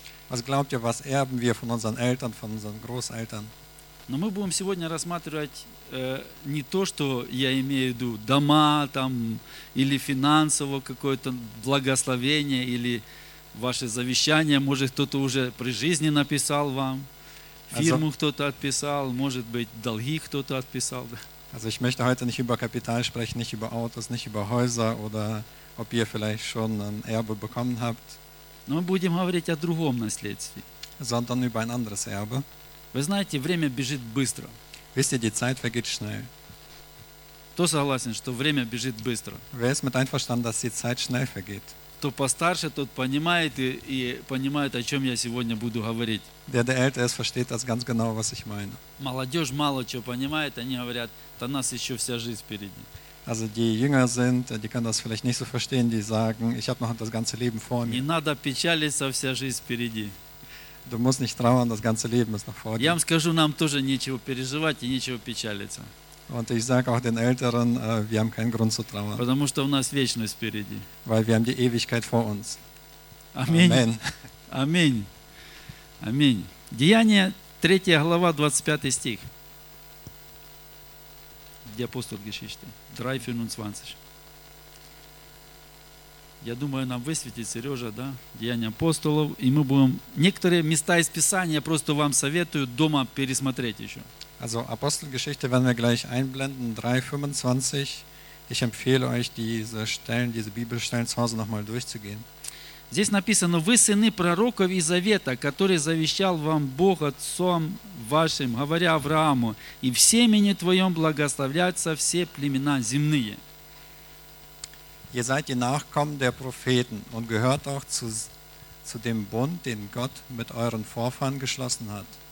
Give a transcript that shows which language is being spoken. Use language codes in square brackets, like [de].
[de] Was glaubt ihr, was erben wir von unseren Eltern, von unseren Großeltern? [ru] Но мы будем сегодня рассматривать не то, что я имею в виду дома там или финансовое какое-то благословение или ваше завещание, может кто-то уже при жизни написал вам, фирму кто-то отписал, может быть долги кто-то отписал. [de] Also ich möchte heute nicht über Kapital sprechen, nicht über Autos, nicht über Häuser oder ob ihr vielleicht schon ein Erbe bekommen habt. [ru] Но мы будем говорить о другом наследстве. [de] Sondern über ein anderes Erbe. [ru] Вы знаете, время бежит быстро. [de] Wisst ihr, die Zeit vergeht schnell. [ru] Кто согласен, что время бежит быстро? [de] Wer ist mit einverstanden, dass die Zeit schnell vergeht? [ru] Кто постарше, тот понимает и понимает, о чем я сегодня буду говорить. [de] Der, der älter ist, versteht das ganz genau, was ich meine. [ru] Молодежь мало чего понимает, они говорят, да нас еще вся жизнь впереди. [de] Also die jünger sind, die können das vielleicht nicht so verstehen, die sagen, ich habe noch das ganze Leben vor mir. [ru] Не надо печалиться, вся жизнь впереди. [de] Du musst nicht trauern, das ganze Leben ist noch vor dir. [ru] Я вам скажу, нам тоже нечего переживать и нечего печалиться. [de] Und ich sage auch den Älteren, wir haben keinen Grund zu trauern. [ru] Потому что у нас вечность впереди. [de] Weil wir haben die Ewigkeit vor uns. [ru] Аминь. Amen. Аминь. Аминь. Деяния, 3 глава, 25 стих. [de] Die Apostelgeschichte, 3:25. [ru] Я думаю, нам высветит Сережа, да, Деяния апостолов, и мы будем некоторые места из Писания просто вам советую дома пересмотреть еще. [de] Also Apostelgeschichte werden wir gleich einblenden, 3:25. Ich empfehle euch, diese Stellen, diese Bibelstellen zu Hause nochmal durchzugehen. [ru] Здесь написано: «Вы сыны пророков и завета, который завещал вам Бог отцом вашим, говоря Аврааму, и в семени твоем благословляются все племена земные». [de] Ihr seid die Nachkommen der Propheten und gehört auch zu dem Bund, den Gott mit euren Vorfahren geschlossen hat.